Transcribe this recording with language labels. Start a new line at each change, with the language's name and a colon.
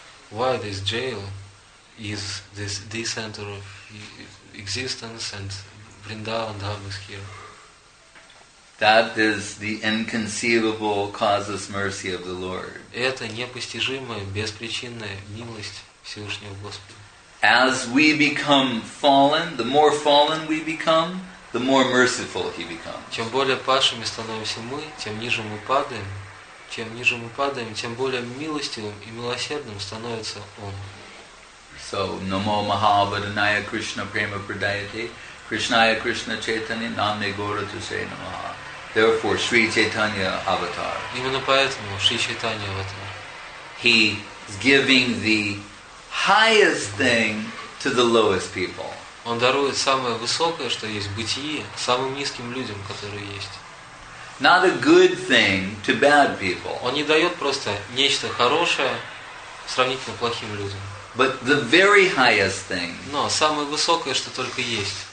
English: Why this jail is this the center of existence and Vrindavan Dham is here? That is the inconceivable causeless mercy of the Lord.
Russian: Это непостижимая, беспричинная милость Всевышнего Господа.
English: As we become fallen, the more fallen we become, the more merciful He becomes.
Russian: Чем более падшими становимся мы, тем ниже мы падаем. Чем ниже мы падаем, тем более милостивым и милосердным становится Он.
Sanskrit: So, Namo Mahabhadanaya Krishna Prema Pradayate Krishnaya Krishna Chaitanya Namne Gora Tuse Namaha.
English: Therefore, Sri Chaitanya Avatar.
Russian: Именно поэтому Шри Чайтанья Аватар.
English: He is giving the highest thing to the lowest people.
Russian: Он дарует самое высокое, что есть в бытии, самым низким людям, которые есть.
English: Not a good thing to bad people.
Russian: Он не дает просто нечто хорошее сравнительно плохим людям.
English: But the very highest thing.
Russian: Но самое высокое, что только есть.